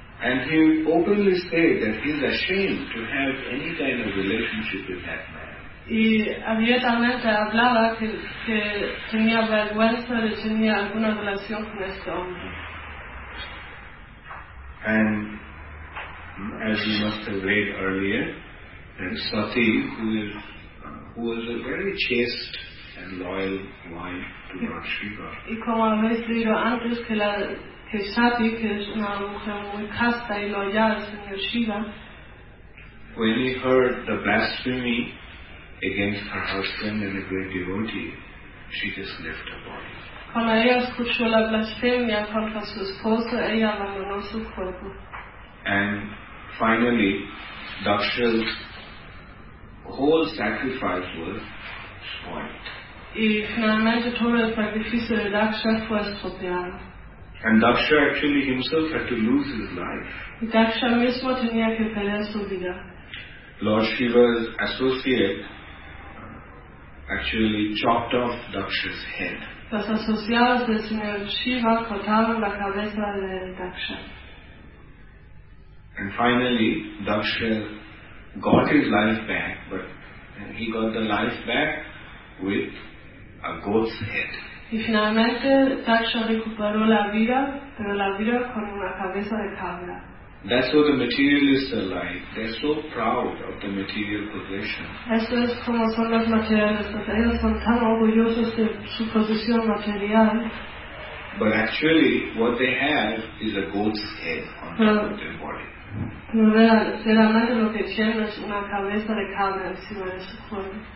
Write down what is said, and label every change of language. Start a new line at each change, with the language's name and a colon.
English: And he openly said that he is ashamed to have any kind of relationship with that man.
Spanish: Y abiertamente hablaba que tenía vergüenza de tener alguna relación con este hombre.
English: And as you must have read earlier, then Sati, who was a very chaste and loyal wife to Lord Shiva.
Spanish: Y como habéis leído antes que Sati, que es una mujer muy casta y loyal, señor Shiva.
English: When he heard the blasphemy against her husband and a great devotee, she just left her body.
Spanish: Cuando ella escuchó la blasfemia contra su esposo, ella abandonó su cuerpo.
English: And finally, Daksha's whole sacrifice was spoiled.
Spanish: Y finalmente todo el sacrificio de Daksha fue estropeado.
English: And Daksha actually himself had to lose his life.
Spanish: Daksha mismo tenía que perder su vida.
English: Lord Shiva's associate actually chopped off Daksha's head.
Spanish: Los asociados del señor Shiva cortaron la cabeza de Daksha.
English: And finally, Daksha got his life back, but he got the life back with a goat's head.
Spanish: Y finalmente, Daksha recuperó la vida, pero la vida con una cabeza de cabra.
English: That's what the materialists are like. They're so proud of the material possession.
Spanish: Eso es como son los materialistas. Ellos son tan orgullosos de su posesión material.
English: But actually, what they have is a goat's head on their body.
Spanish: No, realmente lo que tienen es una cabeza de cabra encima de su cuerpo.